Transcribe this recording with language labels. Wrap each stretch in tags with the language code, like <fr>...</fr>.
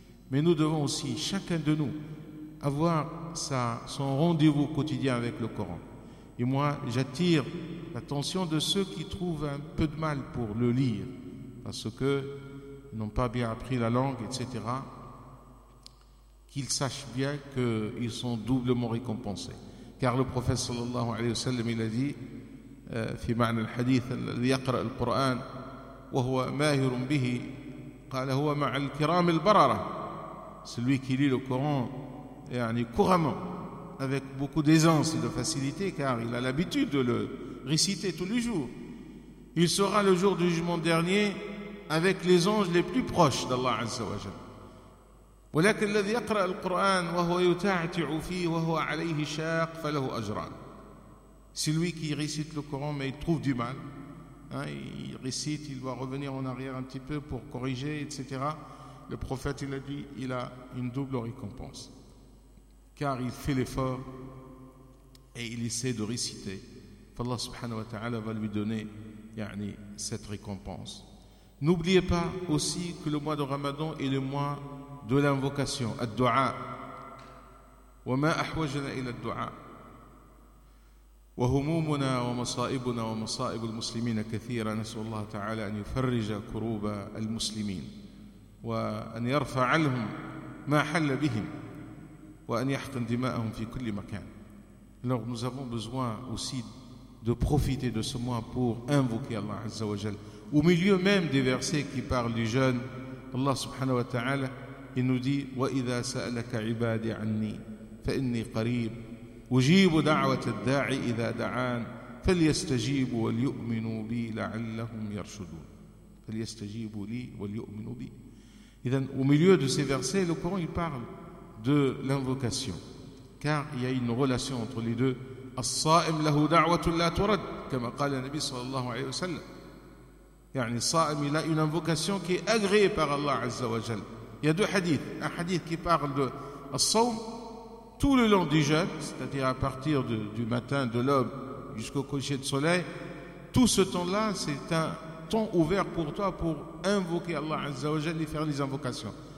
<fr>Mais nous devons aussi, chacun de nous, avoir son rendez-vous quotidien avec le Coran. Et moi, j'attire l'attention de ceux qui trouvent un peu de mal pour le lire, parce qu'ils n'ont pas bien appris la langue, etc. Qu'ils sachent bien qu'ils sont doublement récompensés. Car le prophète sallallahu alayhi wa sallam, il a dit,</fr> <ar>في معنى الحديث الذي يقرأ القرآن وهو ماهر به قال هو مع الكرام البررة.</ar> <fr>Celui qui lit le Coran يعني couramment avec beaucoup d'aisance et de facilité car il a l'habitude de le réciter tous les jours, il sera le jour du jugement dernier avec les anges les plus proches d'Allah عز وجل.</fr> <ar>ولكن الذي يقرأ القرآن وهو يتعتع فيه وهو عليه شاق فله أجران.</ar> <fr>C'est lui qui récite le Coran, mais il trouve du mal. Hein, il récite, il doit revenir en arrière un petit peu pour corriger, etc. Le prophète, il a dit, il a une double récompense. Car il fait l'effort et il essaie de réciter. Allah subhanahu wa ta'ala va lui donner yani, cette récompense. N'oubliez pas aussi que le mois de Ramadan est le mois de l'invocation.</fr> <ar>Ad-du'a. Wa ma ahwajna ila ad-du'a. وهمومنا ومصائبنا ومصائب المسلمين كثيرة نسأل الله تعالى أن يفرج كروب المسلمين وأن يرفع عنهم ما حل بهم وأن يحقن دماءهم في كل مكان.</ar> <fr>Alors nous avons besoin aussi de profiter de ce mois pour invoquer Allah عز وجل. Au milieu même des versets qui parlent du jeûne, Allah subhanahu wa ta'ala il nous dit</fr> <ar>وَإِذَا سَأَلَكَ عِبَادِي عَنِّي فَإِنِّي قَرِيبٌ أجيب دعوة الداعي إذا دعان فليستجيبوا وليؤمنوا بي لعلهم يرشدون. فليستجيبوا لي وليؤمنوا بي.</ar> <fr>إذن au milieu de ces versets, le Coran il parle de l'invocation. Car il y a une relation entre les deux.</fr> <ar>الصائم له دعوة لا ترد كما قال النبي صلى الله عليه وسلم. يعني الصائم</ar> <fr>il a une invocation qui est agréée par Allah عز وجل. Il y a deux hadiths. Un hadith qui parle de الصوم tout le long du jeûne, c'est-à-dire à partir de, du matin, de l'aube jusqu'au coucher de soleil, tout ce temps-là, c'est un temps ouvert pour toi pour invoquer Allah Azza wa Jalla et faire les invocations.</fr>